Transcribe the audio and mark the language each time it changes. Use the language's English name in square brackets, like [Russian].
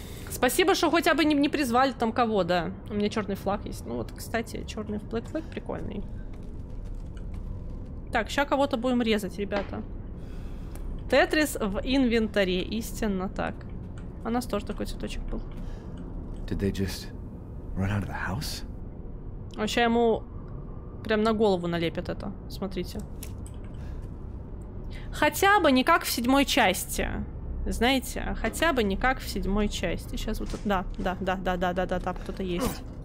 [Russian] Спасибо, что хотя бы не призвали там кого, да. У меня черный флаг есть. Ну вот, кстати, черный Black Flag прикольный. Так, сейчас кого-то будем резать, ребята. Тетрис в инвентаре, истинно так. У нас тоже такой цветочек был. [English] Did they just run out of the house? [Russian] Вообще ему прям на голову налепят это, смотрите. Хотя бы не как в седьмой части. Знаете, хотя бы не как в седьмой части. Сейчас вот тут, да, кто-то есть.